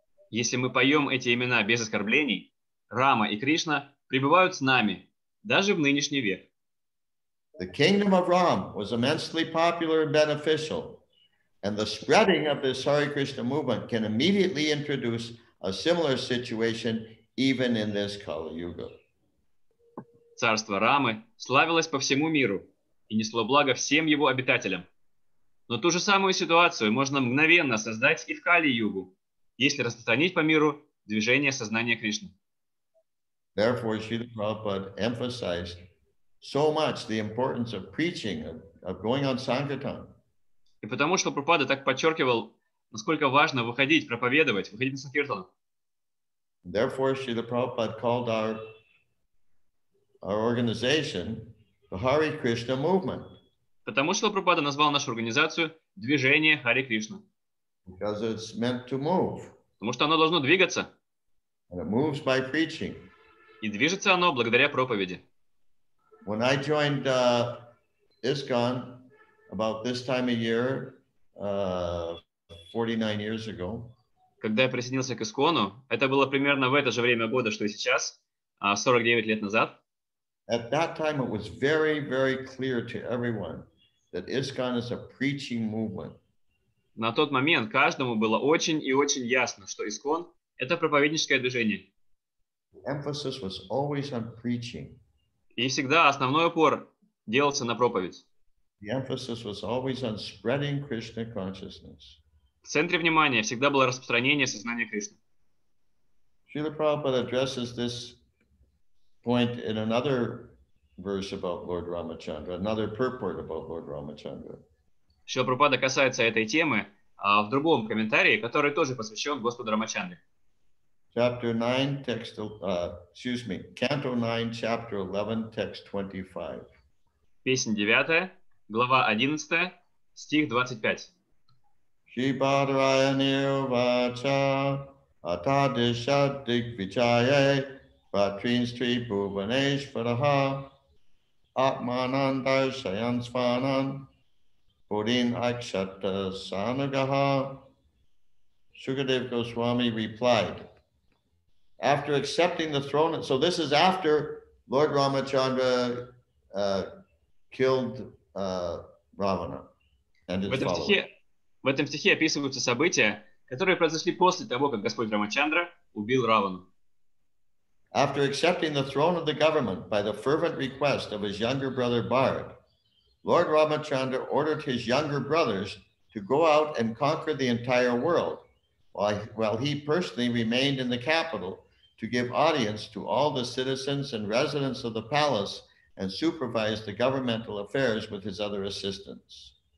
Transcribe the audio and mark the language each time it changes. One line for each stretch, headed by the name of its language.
Russian: Если мы поем эти имена без оскорблений, Рама и Кришна пребывают с нами, даже в нынешний век.
English: The kingdom of Ram was immensely popular and beneficial, and the spreading of this Hare Krishna movement can immediately introduce a similar situation even in this Kali Yuga.
Russian: Царство Рамы славилось по всему миру и несло благо всем его обитателям. Но ту же самую ситуацию можно мгновенно создать и в Кали-югу, если распространить по миру движение сознания Кришны.
English: Therefore, Srila Prabhupada emphasized so much the importance of preaching, of going on sankirtan.
Russian: И потому что Прабхупада так подчеркивал, насколько важно выходить, проповедовать, выходить на санкиртан.
English: Therefore, Srila Prabhupada called our organization the Hare Krishna Movement.
Russian: Потому что Прабхупада назвал нашу организацию движение Hare Krishna.
English: Because it's meant to move.
Russian: Потому что оно должно двигаться.
English: And it moves by preaching.
Russian: И движется оно благодаря проповеди.
English: When I joined ISKCON about this time of year, 49 years ago.
Russian: Когда я присоединился к ИСККОНу, это было примерно в это же время года, что и сейчас, 49 лет назад.
English: At that time it was very, very clear to everyone that ISKCON is a preaching movement.
Russian: На тот момент каждому было очень и очень ясно, что ИСККОН — это проповедническое движение.
English: The emphasis was always on preaching.
Russian: И всегда основной упор делался на проповедь.
English: The emphasis was always on spreading Krishna consciousness.
Russian: В центре внимания всегда было распространение сознания Кришны.
English: Srila Prabhupada addresses this point in another verse about Lord Ramachandra, another purport about Lord Ramachandra.
Russian: Srila Prabhupada касается этой темы в другом комментарии, который тоже посвящен Господу Рамачандре.
English: Chapter 9, text, excuse me, Canto 9, chapter 11, text 25.
Russian: Песня 9, глава 11, стих 25.
Sanskrit: Shri Bhadraya Nirvacha Atadishadik Vichaye Patrin Sri Bhuvaneshvaraha Atmanandar Shayansvanan Bodhin Akshata Sanagaha.
English: Sukadev Goswami replied, after accepting the throne, so this is after Lord Ramachandra killed Ravana and his followers.
Russian: В этом стихе описываются события, которые произошли после того, как Господь Рамачандра убил Равану.
English: After accepting the throne of the government by the fervent request of his younger brother Bharat, Lord Ramachandra ordered his younger brothers to go out and conquer the entire world, while he personally remained in the capital to give audience to all the citizens and residents of the palace and supervise the governmental affairs with his other assistants.